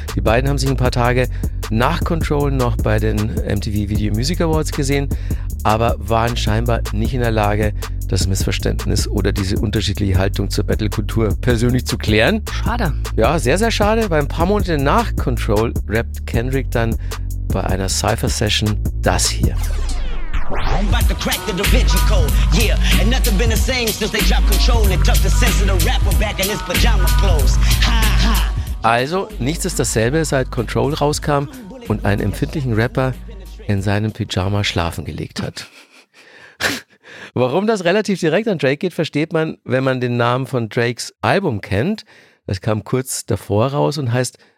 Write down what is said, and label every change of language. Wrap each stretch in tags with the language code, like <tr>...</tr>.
<de>Die beiden haben sich ein paar Tage nach Control noch bei den MTV Video Music Awards gesehen, aber waren scheinbar nicht in der Lage, das Missverständnis oder diese unterschiedliche Haltung zur Battle-Kultur persönlich zu klären. Schade. Ja, sehr, sehr schade. Weil ein paar Monate nach Control rappt Kendrick dann bei einer Cypher-Session das hier.</de> <en>I'm about to crack the Da Vinci Code, yeah. And nothing been the same since they dropped Control and tucked the sense of the rapper back in his pajama clothes.</en> <de>Also, nichts ist dasselbe, seit Control rauskam und einen empfindlichen Rapper in seinem Pyjama schlafen gelegt hat. Warum das relativ direkt an Drake geht, versteht man, wenn man den Namen von Drakes Album kennt. Das kam kurz davor raus und heißt</de>